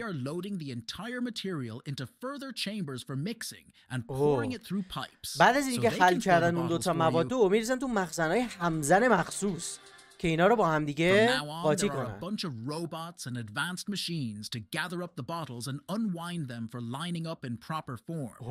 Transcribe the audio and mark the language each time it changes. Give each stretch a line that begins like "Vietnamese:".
English: They are loading the entire material into further chambers for mixing and pouring it through pipes.
Persian: بعد از اینکه حل کردن اون دو تا مواد رو میریزن تو مخزن‌های همزن مخصوص که اینا رو با هم دیگه قاطی کنن.
English: A bunch of robots and advanced machines to gather up the bottles and unwind them for lining up in proper form.